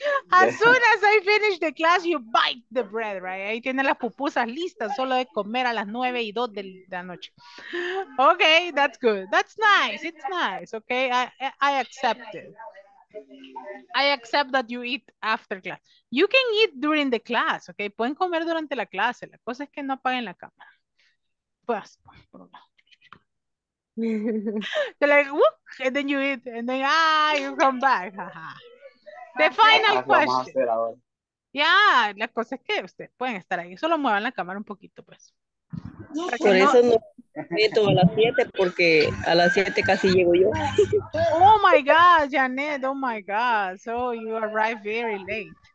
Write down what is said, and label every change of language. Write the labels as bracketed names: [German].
[English] As soon as I finish the class, you bite the bread, right? [Spanish] Ahí tienen las pupusas listas, solo de comer a las 9:02 de la noche. [English] Okay, that's good. That's nice. It's nice. Okay, I accept it. I accept that you eat after class. You can eat during the class, okay? [Spanish] Pueden comer durante la clase. La cosa es que no apaguen la cámara. Pues, por un lado. [English] They're like, whoop, and then you eat, and then, ah, you come back. The final question. [Spanish] Yeah, la cosa es que ustedes pueden estar ahí. Solo muevan la cámara un poquito, pues. No, por eso no meto a las 7, porque a las 7 casi llego yo. [English] Oh, my God, Janet, oh, my God. So you arrive very late.